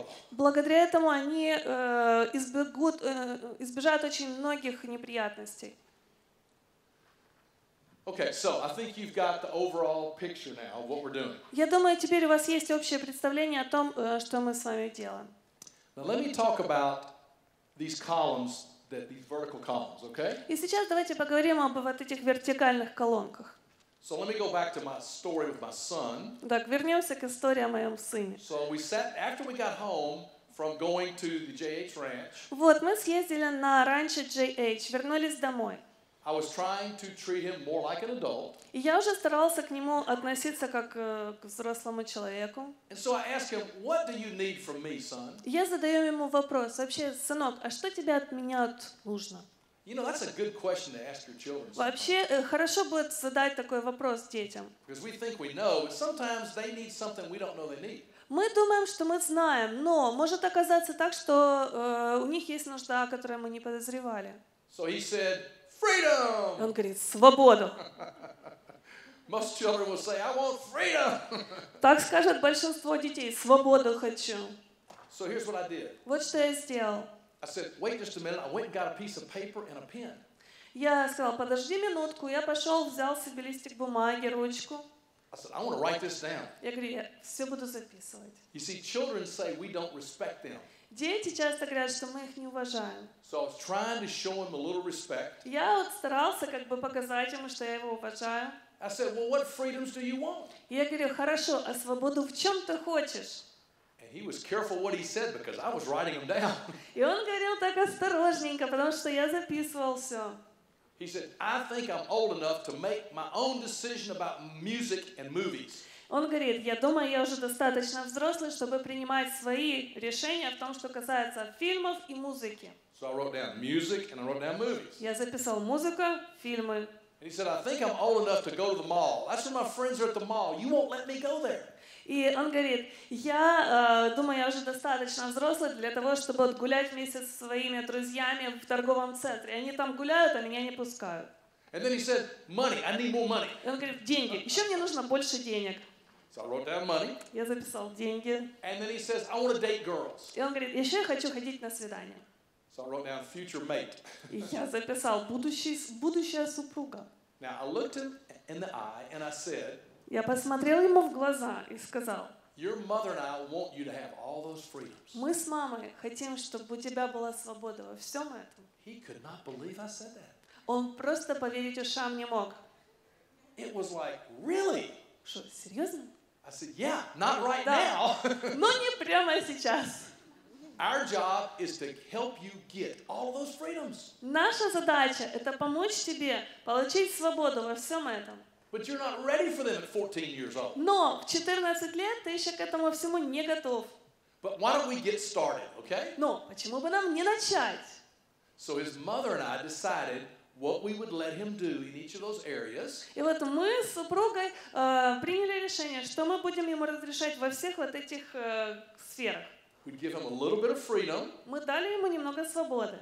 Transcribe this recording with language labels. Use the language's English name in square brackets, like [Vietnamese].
[Russian] Благодаря этому они избежат очень многих неприятностей. [English] Okay, so I think you've got the overall picture now of what we're doing. [Russian] Я думаю, теперь у вас есть общее представление о том, что мы с вами делаем. [English] Now let me talk about these columns. These vertical columns, okay? [Russian] И сейчас давайте поговорим об вот этих вертикальных колонках. [English] So let me go back to my story with my son. [Russian] Так, вернемся к истории о моем сыне. [English] So we sat after we got home from going to the JH ranch. [Russian] Вот мы съездили на ранчо JH, вернулись домой. [English] I was trying to treat him more like an adult. [Russian] И я уже старался к нему относиться как к взрослому человеку. [English] And so I asked him, "What do you need from me, son?" [Russian] Я задаю ему вопрос: вообще, сынок, а что тебе от меня нужно? [English] You know, that's a good question to ask your children. [Russian] Вообще, хорошо будет задать такой вопрос детям. [English] Because we think we know, but sometimes they need something we don't know they need. [Russian] Мы думаем, что мы знаем, но может оказаться так, что у них есть нужда, о которой мы не подозревали. [English] So he said. Freedom! [Russian] Он говорит, свободу. [English] Most children will say, I want freedom. [Russian] Так скажет большинство детей, свободу хочу. [English] So here's what I did. [Russian] Вот что я сделал. [English] I said, wait just a minute. I went and got a piece of paper and a pen. [Russian] Я сказал, подожди минутку. Я пошел, взял себе листик бумаги, ручку. [English] I said, I want to write this down. [Russian] Я говорю, я все буду записывать. [English] You see, children say we don't respect them. [Russian] Дети часто говорят, что мы их не уважаем. [English] So I was trying to show him a little respect. [Russian] Я вот старался как бы показать ему, что я его уважаю. [English] I said, well, what freedoms do you want? [Russian] Я говорю, хорошо, а свободу в чем ты хочешь? [English] And he was careful what he said because I was writing them down. [Russian] И он говорил так осторожненько, потому что я записывал все. [English] He said, I think I'm old enough to make my own decision about music and movies. [Russian] Он говорит, я думаю, я уже достаточно взрослый, чтобы принимать свои решения в том, что касается фильмов и музыки. [English] So I wrote down music and I wrote down movies. [Russian] Я записал музыку, фильмы. [English] And he said, I think I'm old enough to go to the mall. That's when my friends are at the mall. You won't let me go there. [Russian] И он говорит, я думаю, я уже достаточно взрослый для того, чтобы гулять вместе со своими друзьями в торговом центре. Они там гуляют, а меня не пускают. [English] And then he said, money, I need more money. [Russian] Он говорит, деньги, еще мне нужно больше денег. [English] So I wrote down money. [Russian] Я записал деньги. [English] And then he says, I want to date girls. [Russian] И он говорит, еще я хочу ходить на свидания. [English] So I wrote down future mate. [Russian] И я записал будущая супруга. [English] Now I looked him in the eye and I said, [Russian] я посмотрел ему в глаза и сказал, [English] your mother and I want you to have all those freedoms. [Russian] Мы с мамой хотим, чтобы у тебя была свобода во всем этом. [English] He could not believe I said that. [Russian] Он просто поверить ушам не мог. [English] It was like, really? [Russian] Что, серьезно? [English] I said, yeah, not right now. [Russian] Но не прямо сейчас. [English] Our job is to help you get all those freedoms. [Russian] Наша задача это помочь тебе получить свободу во всем этом. [English] But you're not ready for them at 14 years old. [Russian] Но в 14 лет ты еще к этому всему не готов. [English] But why don't we get started, okay? [Russian] Но почему бы нам не начать? [English] So his mother and I decided what we would let him do in each of those areas. [Russian] И вот мы с супругой приняли решение, что мы будем ему разрешать во всех вот этих сферах. [English] We'd give him a little bit of freedom. [Russian] Мы дали ему немного свободы.